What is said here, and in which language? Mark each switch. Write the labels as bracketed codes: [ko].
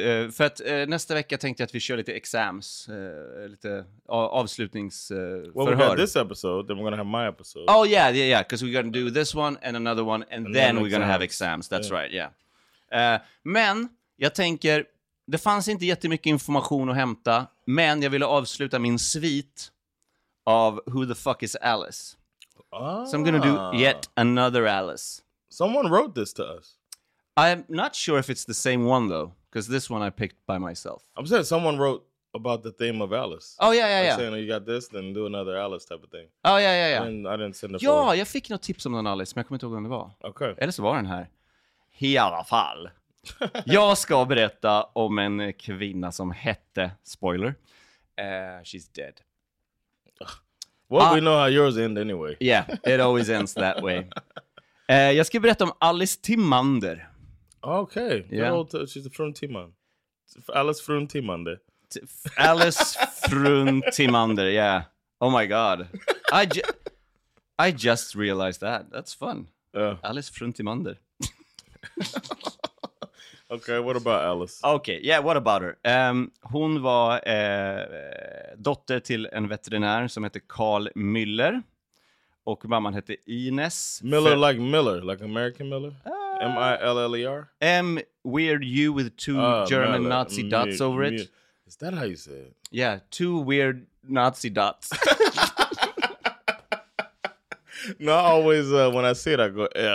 [sv] För att nästa vecka tänkte jag att vi kör lite exams, lite avslutningsförhör. [en] Well, we got this episode, then we're gonna have my episode. Oh yeah, yeah, yeah, because we're gonna do this one and another one, and then we're gonna have exams, that's right, yeah. [sv] Men, jag tänker, det fanns inte jättemycket information att hämta, men jag ville avsluta min svit av Who the Fuck is Alice? Ah. [en] So I'm gonna do yet another Alice. Someone wrote this to us. I'm not sure if it's the same one, though, because this one I picked by myself. I'm saying someone wrote about the theme of Alice. Oh, yeah, yeah, yeah. I'm saying, oh, you got this, then do another Alice type of thing. Oh, yeah, yeah, yeah. And I didn't send the phone. [sv] Ja, jag fick något tips om den Alice, men jag kommer inte ihåg vem det var. [en] Okay. [sv] Eller så var den här. I alla fall. Jag ska berätta om en kvinna som hette, spoiler, [en] she's dead. Well, we know how yours end anyway. Yeah, it always ends that way. Jag ska berätta om Alice Timander. Okay, yeah. She's from Timan. Alice from Timander. Alice from Timander, yeah. Oh my god. I just realized that. That's fun. Alice from Timander. Okay, what about Alice? Okay, yeah, what about her? [sv] Hon var dotter till en veterinär som heter Carl Müller. Och mamman hette Ines. [en] Miller, like Miller, like American Miller? M-I-L-L-E-R? M, weird U with two German Nazi dots over it. Is that how you say it? Yeah, two weird Nazi dots. Not always when I see it, I go,